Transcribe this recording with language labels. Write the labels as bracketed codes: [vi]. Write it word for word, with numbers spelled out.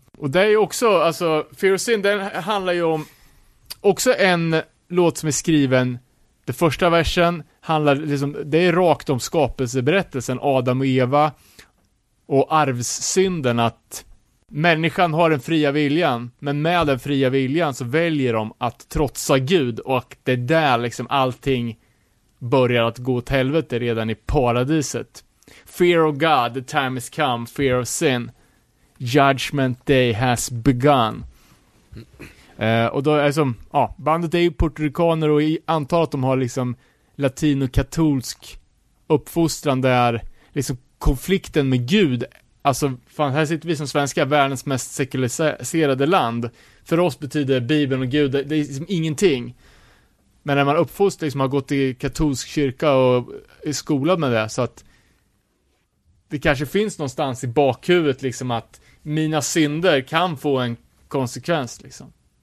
[sv] Och det är ju också, alltså, Fear of Sin, den handlar ju om också en låt som är skriven, den första versen handlar liksom, det är rakt om skapelseberättelsen, Adam och Eva och arvssynden, att människan har den fria viljan, men med den fria viljan så väljer de att trotsa Gud, och det är där liksom allting börjar att gå åt helvete redan i paradiset. [en] Fear of God, the time has come. Fear of sin, judgment day has begun. Mm. [sv] Uh, och då är det som, ja, bandet är ju porturikaner, och i antal att de har liksom latino-katolsk uppfostran, där liksom konflikten med Gud, alltså fan, här sitter vi som svenska, världens mest sekulariserade land. För oss betyder Bibeln och Gud, det är liksom ingenting. Men när man uppfostrar, liksom har gått i katolsk kyrka och i skola med det, så att det kanske finns någonstans i bakhuvudet liksom att mina synder kan få en konsekvens liksom.